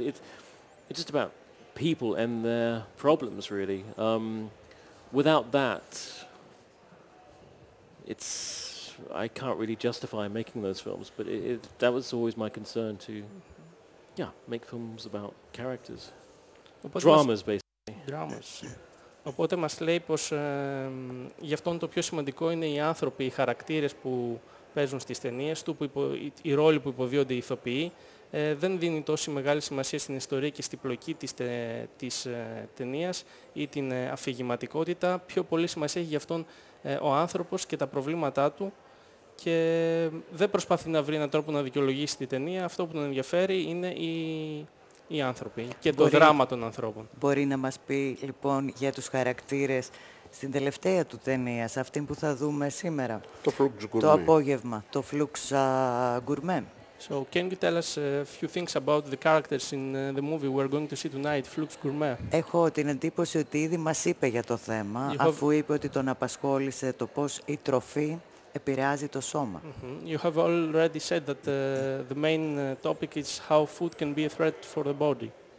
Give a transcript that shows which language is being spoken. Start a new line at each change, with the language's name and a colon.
English: It's just about people and their problems, really. Without that, it's, I can't really justify making those films, but that was always my concern to, yeah, make films about characters. But dramas, basically. Dramas.
Greek: Οπότε μας λέει πως γι' αυτόν το πιο σημαντικό είναι οι άνθρωποι, οι χαρακτήρες που παίζουν στις ταινίες του, οι ρόλοι που υποδίονται οι ηθοποιοί. Δεν δίνει τόση μεγάλη σημασία στην ιστορία και στην πλοκή της ταινίας ή την αφηγηματικότητα. Πιο πολύ σημασία έχει γι' αυτόν ο άνθρωπος και τα προβλήματά του και δεν προσπαθεί να βρει έναν τρόπο να δικαιολογήσει την ταινία. Αυτό που τον ενδιαφέρει είναι οι άνθρωποι και το δράμα των ανθρώπων. Μπορεί να μας πει λοιπόν για τους χαρακτήρες στην τελευταία του ταινία, σε αυτήν που θα δούμε σήμερα. Το Flux Gourmet. Το απόγευμα, το Flux Gourmet.
English: So, can you tell us a few things about the characters in the movie we're going to see tonight, Flux Gourmet?
Greek: Έχω την εντύπωση ότι ήδη μας είπε για το θέμα, αφού είπε ότι τον απασχόλησε το πώς η τροφή επηρεάζει το σώμα.
English: You have already said that the main topic is how food can be a threat for the body.